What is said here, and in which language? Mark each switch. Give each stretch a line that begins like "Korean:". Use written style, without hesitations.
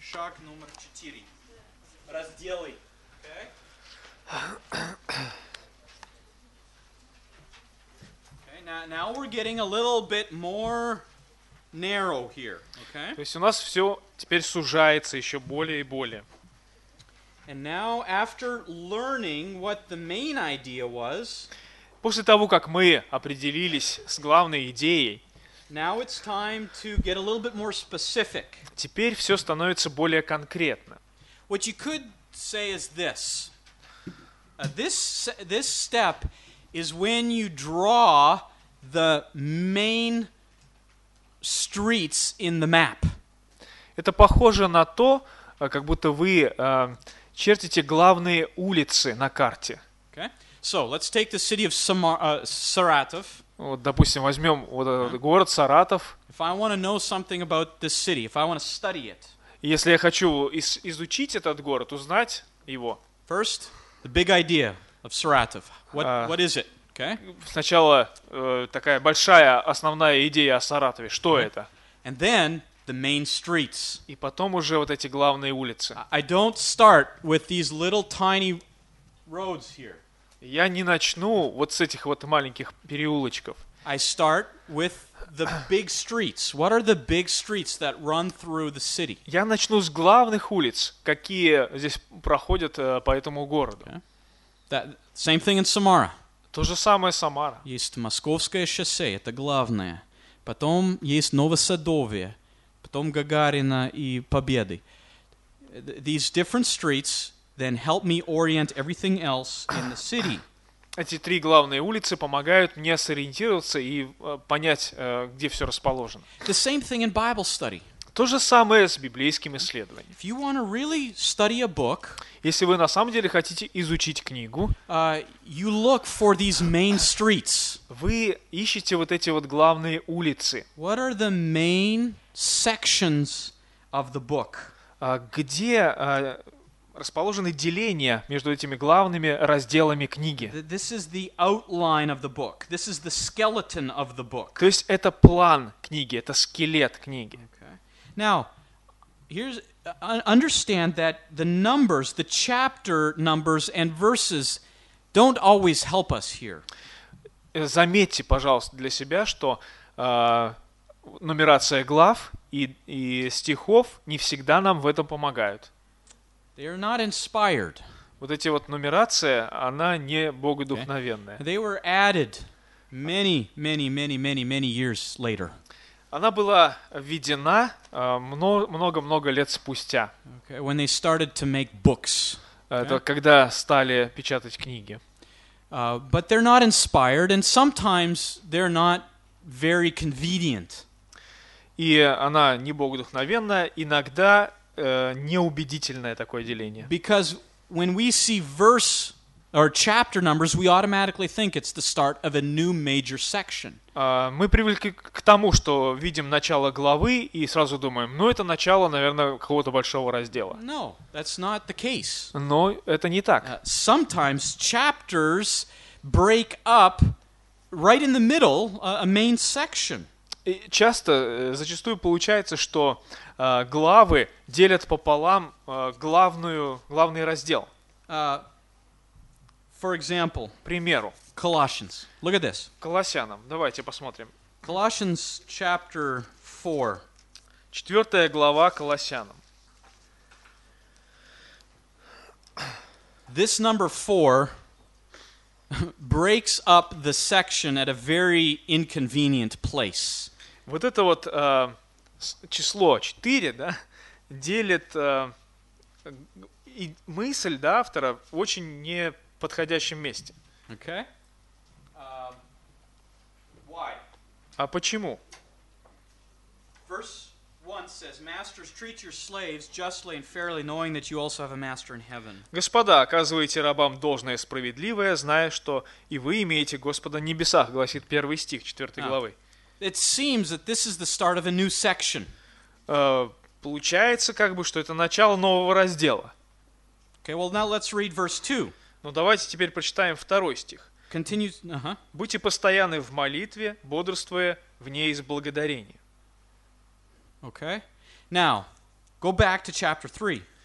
Russian: Шаг номер 4. Разделы. Okay?
English: Okay, now we're getting a little bit more narrow here, okay?
Russian: То есть у нас все теперь сужается еще более и более.
English: And now, after learning what the main idea was,
Russian: после того как мы определились с главной идеей,
English: now it's time to get a little bit more specific.
Russian: Теперь все становится более конкретно.
English: What you could say is this: this step is when you draw the main streets in the map.
Russian: Это похоже на то, как будто вы чертите главные улицы на карте.
English: Okay. So, let's take the city of Saratov.
Russian: Вот, допустим, возьмем вот этот город Саратов.
English: If I want to know something about this city, if I want to study it.
Russian: Если я хочу изучить этот город, узнать его.
English: First, the big idea of Saratov. What is it? Okay.
Russian: Сначала такая большая основная идея о Саратове. Что это?
English: And then, the main streets.
Russian: И потом уже вот эти главные улицы.
English: I don't start with these little tiny roads here.
Russian: Я не начну вот с этих вот маленьких переулочков.
English: I start with the big streets. What are the big streets that run through the city?
Russian: Я начну с главных улиц, какие здесь проходят по этому городу.
English: That same thing in Samara.
Russian: То же самое Самара. Есть Московское шоссе, это главное. Потом есть Новосадовье, потом Гагарина и Победы.
English: These different streets then help me orient everything else in the city.
Russian: Эти три главные улицы помогают мне сориентироваться и понять, где все расположено.
English: The same thing in Bible study.
Russian: То же самое с библейским исследованием.
English: If you want to really study a book,
Russian: если вы на самом деле хотите изучить книгу,
English: you look for these main streets.
Russian: Вы ищете вот эти вот главные улицы.
English: What are the main sections of the book?
Russian: Где расположены деления между этими главными разделами книги?
English: This is the outline of the book. This is the skeleton of the book.
Russian: То есть это план книги, это скелет книги.
English: Now, here's understand that the numbers, the chapter numbers and verses don't always help us here.
Russian: Заметьте, пожалуйста, для себя, что нумерация глав и стихов не всегда нам в этом помогают.
English: They are not inspired.
Russian: Вот эти вот нумерация, она не богодухновенная.
English: They were added many, many, many, many, many years later.
Russian: Она была введена много-много лет спустя.
English: Okay, when they started to make books.
Russian: Это когда стали печатать книги.
English: But they're not inspired, and sometimes they're not very convenient.
Russian: И она не богодухновенна, иногда неубедительное такое деление.
English: Because when we see verse or chapter numbers, we automatically think it's the start of a new major section.
Russian: Мы привыкли к тому, что видим начало главы и сразу думаем, ну, это начало, наверное, какого-то большого раздела.
English: No, that's not the case.
Russian: Но это не так.
English: Sometimes chapters break up right in the middle a main section.
Russian: И часто, зачастую получается, что главы делят пополам главный раздел.
English: For example,
Russian: примеру.
English: Colossians. Look at this.
Russian: Колоссянам. Давайте посмотрим.
English: Colossians chapter 4.
Russian: Четвертая глава Колоссянам.
English: This number 4 breaks up the section at a very inconvenient place.
Russian: Вот это вот число 4, да, делит мысль, да, автора в очень не подходящем месте.
English: Okay. Why?
Russian: А почему?
English: Verse 1 says, "Masters, treat your slaves justly and fairly, knowing that you also have a master in heaven."
Russian: Господа, оказывайте рабам должное и справедливое, зная, что и вы имеете Господа в небесах, гласит первый стих 4 главы.
English: It seems that this is the start of a new section.
Russian: Получается, как бы, что это начало нового раздела.
English: Okay, well now let's read verse 2.
Russian: Ну, давайте теперь прочитаем второй стих.
English: Continue,
Russian: Будьте постоянны в молитве, бодрствуя в ней с благодарением.
English: Okay. Now, go back to chapter 3.